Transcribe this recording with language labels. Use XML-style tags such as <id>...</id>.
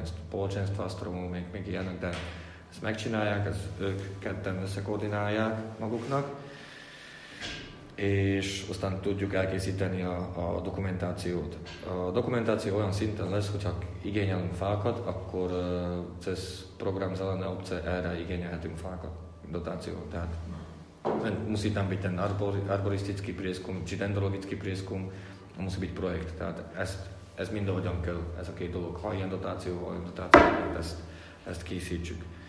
<hu>Ezt polcsen, ezt vasztromó, még ilyenek, de ezt megcsinálják, ezt ők ketten összekoordinálják maguknak. És aztán tudjuk elkészíteni a dokumentációt. A dokumentáció olyan szinten lesz, hogyha igényelünk fákat, akkor CESZ program zelene obce erre igényelhetünk fákat, dotációt.</hu> <sk>Tehát musí tam byť ten arboristický prieskum, či dendrologický prieskum, musí byť projekt.</sk> <hu>Tehát ez mind ahogyan kell, ez a két dolog. Ha ilyen dotáció, olyan dotáció, ezt készítsük.</hu>